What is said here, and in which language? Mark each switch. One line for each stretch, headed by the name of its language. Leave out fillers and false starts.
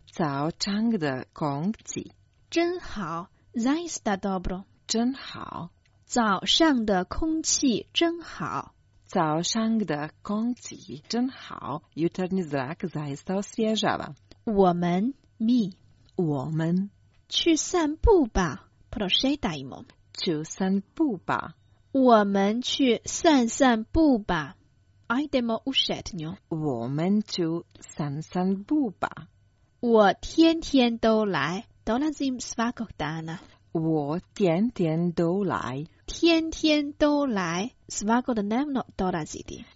Chinese: 早上的空气。真好。
Croatian: Zaista dobro.
Chinese: 真好。早上的空气真好。早上的空气真好。
Croatian: Jutarnji zrak zaista osvježava.
Chinese: 我们。
Croatian: Mi.
Chinese: 我们。去散步吧 ，
Croatian: prošetajmo。
Chinese: 去散步吧，我们去散散步吧 ，
Croatian: ajdemo u šetnju。
Chinese: 我们去散散步吧。我天天都来 ，
Croatian: dolazim svakog dana。
Chinese: 我天天都来，天天都来 ，
Croatian: svakodnevno dolaziti。